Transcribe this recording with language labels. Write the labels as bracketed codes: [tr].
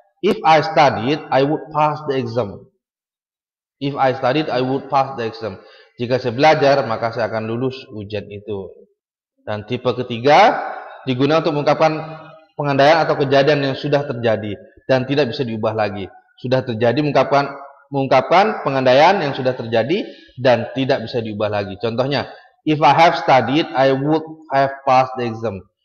[en] If I studied, I would pass the exam. If I studied, I would pass the exam. [id] Jika saya belajar, maka saya akan lulus ujian itu. Dan tipe ketiga digunakan untuk mengungkapkan pengandaian atau kejadian yang sudah terjadi dan tidak bisa diubah lagi. Sudah terjadi mengungkapkan pengandaian yang sudah terjadi dan tidak bisa diubah lagi. [en] Contohnya, if I have studied, I would have passed the exam.